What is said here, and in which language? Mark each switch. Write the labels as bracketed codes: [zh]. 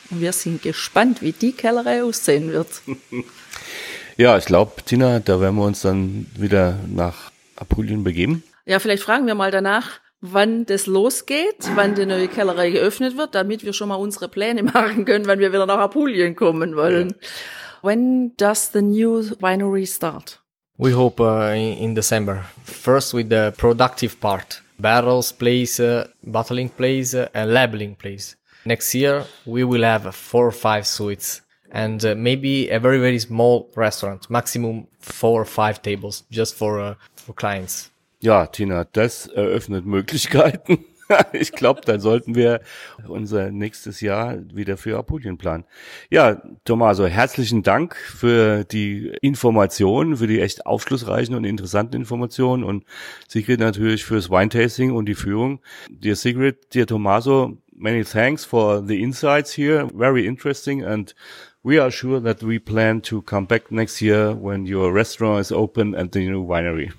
[de] Und wir sind gespannt, wie die Kellerei aussehen wird. Ja, ich glaube, Tina, da werden wir uns dann wieder nach Apulien begeben. Ja, vielleicht fragen wir mal danach, wann das losgeht, wann die neue Kellerei geöffnet wird, damit wir schon mal unsere Pläne machen können, wenn wir wieder nach Apulien kommen wollen. [en] Yeah. When does the new winery start? We hope in December. First with the productive part. Barrels place, bottling place, and labeling place. Next year we will have 4 or 5 suites and maybe a very, very small restaurant, maximum 4 or 5 tables just for clients. [de] Ja, Tina, das eröffnet Möglichkeiten. Ich glaube, dann sollten wir unser nächstes Jahr wieder für Apulien planen. Ja, Tommaso, herzlichen Dank für die Informationen, für die echt aufschlussreichen und interessanten Informationen und Sigrid natürlich fürs Wine-Tasting und die Führung. [en] Dear Sigrid, dear Tommaso, many thanks for the insights here. Very interesting and we are sure that we plan to come back next year when your restaurant is open and the new winery.